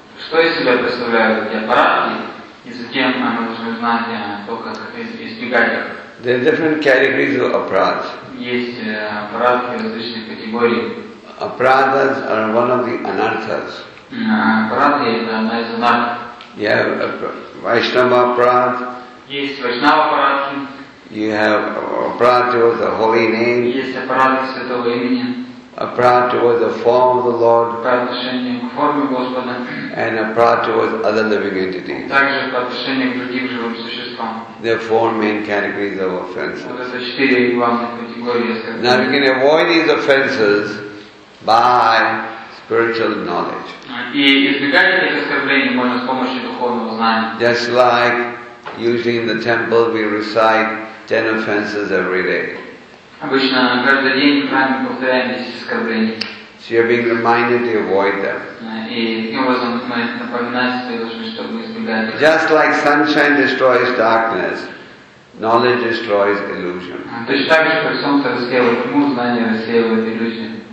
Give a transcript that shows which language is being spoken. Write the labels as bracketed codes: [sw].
[ru] что из себя представляют эти аппаратхи, и затем мы должны знать то, как избегать их. [en] There are different categories of apradhas. [ru] Есть аппаратхи различных категорий. [en] Apradhas are one of the anarthas. [ru] Аппаратхи это одна из анарх. [en] You have Vaishnava aparad. [ru] Есть Vaishnava aparadhi. [en] You have aparad towards the holy name. [ru] Есть aparad святого имени. [en] Aparad towards the form of the Lord. [ru] По отношению к форме Господа. [en] And aparad towards other living entities. [ru] Также по отношению к другим живым существам. [en] There are four main categories of offenses. [ru] Вот это четыре главных категории оскорблений. [en] Now we can avoid these offenses by spiritual knowledge. [ru] И избегать этих оскорблений можно с помощью духовного знания. [en] Just like usually in the temple we recite 10 offenses every day. [ru] Обычно каждый день в храме повторяем 10 оскорблений. [en] So you're being reminded to avoid them. [ru] И таким образом мы напоминаем себе, чтобы избегать их. [en] Just like sunshine destroys darkness, knowledge destroys illusion. [ru] Точно так же, как солнце рассеивает тьму, знание рассеивает иллюзию.